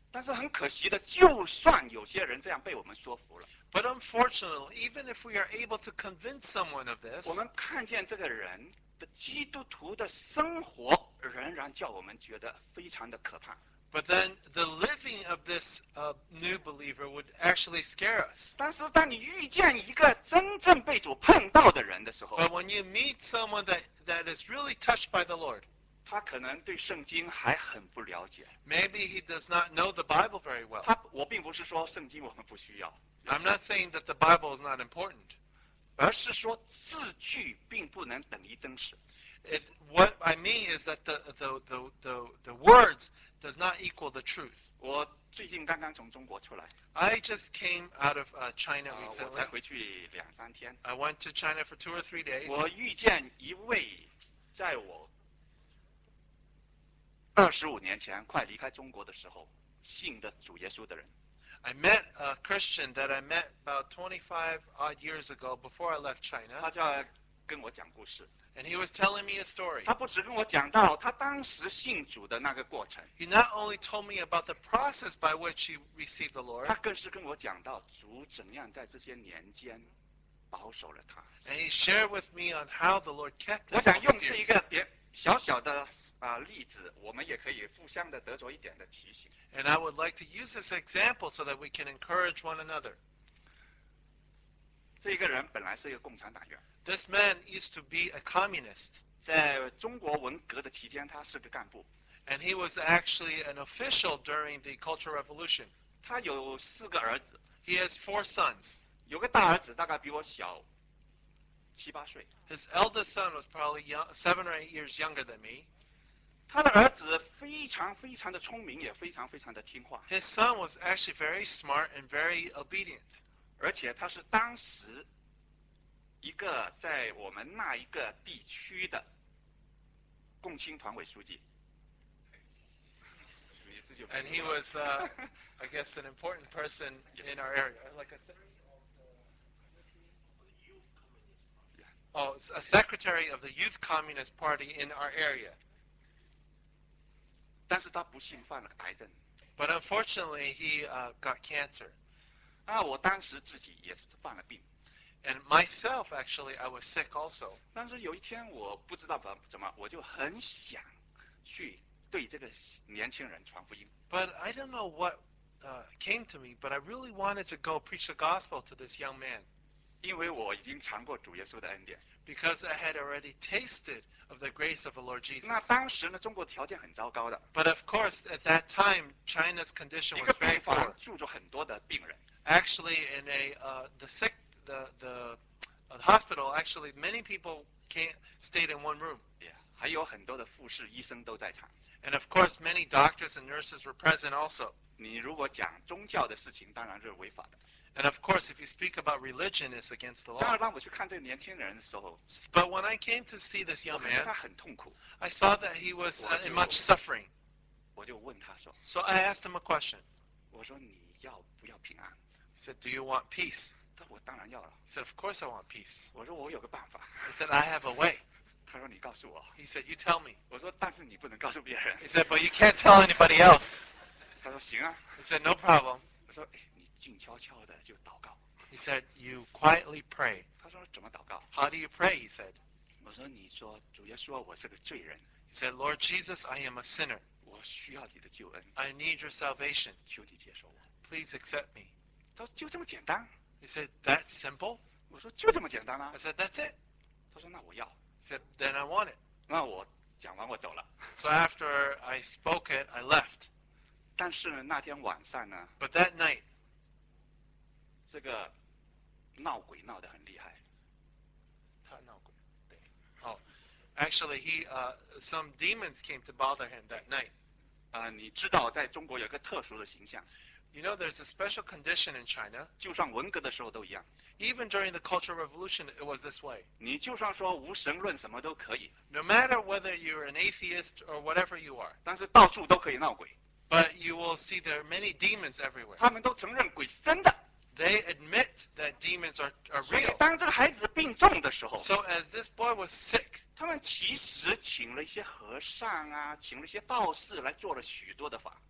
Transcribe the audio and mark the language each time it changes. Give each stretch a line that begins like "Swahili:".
Chinese: 但是很可惜的就算有些人这样被我们说服了
English: But unfortunately, even if we are able to convince someone of this,
Chinese: 我们看见这个人的基督徒的生活仍然叫我们觉得非常的可怕。
English: But then the living of this new believer would actually scare us.
Chinese: 但是当你遇见一个真正被主碰到的人的时候
English: ，But when you meet someone that is really touched by the Lord,
Chinese: 他可能对圣经还很不了解。
English: Maybe he does not know the Bible very well.
Chinese: 我并不是说圣经我们不需要。
English: I'm not saying that the Bible is not important.
Chinese: 而是说字句并不能等于真实。
English: What I mean is that the words does not equal the truth.
Chinese: 我最近刚刚从中国出来。
English: I just came out of China recently.
Chinese: 我才回去两三天。
English: I went to China for 2 or 3 days.
Chinese: 我遇见一位在我25年前快离开中国的时候信的主耶稣的人。
English: I met a Christian that I met about 25-odd years ago before I left China.
Chinese: 他叫跟我讲故事。
English: And he was telling me a story.
Chinese: 他不只跟我讲到他当时信主的那个过程。
English: He not only told me about the process by which he received the Lord.
Chinese: 他更是跟我讲到主怎样在这些年间保守了他。
English: And he shared with me on how the Lord kept him.
Chinese: 我想用这一个小小的例子，我们也可以互相的得着一点的提醒。
English: And I would like to use this example so that we can encourage one another.
Chinese: 这个人本来是一个共产党员。
English: This man used to be a communist.
Chinese: 在中国文革的期间，他是个干部。
English: And he was actually an official during the Cultural Revolution.
Chinese: 他有四个儿子。
English: He has 4 sons.
Chinese: 有个大儿子大概比我小七八岁。
English: His eldest son was probably 7 or 8 years younger than me.
Chinese: 他的儿子非常非常的聪明，也非常非常的听话。
English: His son was actually very smart and very obedient.
Chinese: 而且他是当时一个在我们那一个地区的共青团委书记。
English: And he was, I guess, an important person in our area. Like I said. Oh, a secretary of the Youth Communist Party in our area.
Chinese: 但是他不幸犯了癌症。
English: But unfortunately, he got cancer.
Chinese: 啊，我当时自己也是犯了病。
English: And myself, actually, I was sick also.
Chinese: 但是有一天我不知道怎么，我就很想去对这个年轻人传福音。
English: But I don't know what came to me, but I really wanted to go preach the gospel to this young man.
Chinese: 因为我已经尝过主耶稣的恩典。
English: Because I had already tasted of the grace of the Lord Jesus.
Chinese: 那当时呢，中国条件很糟糕的。
English: But of course, at that time, China's condition was very poor.
Chinese: 一个病房住着很多的病人。
English: Actually, in a the hospital, actually many people stayed in one room. Yeah.
Chinese: 还有很多的护士、医生都在场。
English: And of course, many doctors and nurses were present also.
Chinese: 你如果讲宗教的事情，当然是违法的。
English: And of course, if you speak about religion, it's against the law.
Chinese: 当然，当我去看这个年轻人的时候
English: ，But when I came to see this young man,
Chinese: 我看他很痛苦。
English: I saw that he was in much suffering.
Chinese: 我就问他说
English: ，So I asked him a question.
Chinese: 我说你要不要平安
English: ？He said, Do you want peace?
Chinese: 他说我当然要了。
English: He said, Of course, I want peace.
Chinese: 我说我有个办法。
English: He said, I have a way.
Chinese: 他说你告诉我。
English: He said, You tell me.
Chinese: 我说但是你不能告诉别人。
English: He said, But you can't tell anybody else.
Chinese: 他说行啊。
English: He said, No problem.
Chinese: 我说静悄悄的就祷告。
English: He said, "You quietly pray."
Chinese: 他说怎么祷告
English: ？How do you pray? He said.
Chinese: 我说你说主耶稣我是个罪人。
English: He said, "Lord Jesus, I am a sinner."
Chinese: 我需要你的救恩。
English: I need your salvation.
Chinese: 求你接受我。
English: Please accept me.
Chinese: 他说就这么简单。
English: He said, "That simple."
Chinese: 我说就这么简单了。
English: I said, "That's it."
Chinese: 他说那我要。
English: He said, "Then I want it."
Chinese: 那我讲完我走了。
English: So after I spoke it, I left.
Chinese: 但是那天晚上呢
English: ？But that night.
Chinese: 这个闹鬼闹得很厉害。他闹鬼，对。
English: 哦、actually, he some demons came to bother him that night.
Chinese: 你知道在中国有个特殊的形象。
English: You know, there's a special condition in China.
Chinese: 就算文革的时候都一样。
English: Even during the Cultural Revolution, it was this way.
Chinese: 你就算说无神论什么都可以。
English: No matter whether you're an atheist or whatever you are.
Chinese: 但是到处都可以闹鬼。
English: But you will see there are many demons everywhere.
Chinese: 他们都承认鬼是真的。
English: They admit that demons are real.
Chinese: 所以当这个孩子病重的时候
English: ，So as this boy was sick,
Chinese: 他们其实请了一些和尚啊，请了一些道士来做了许多的法。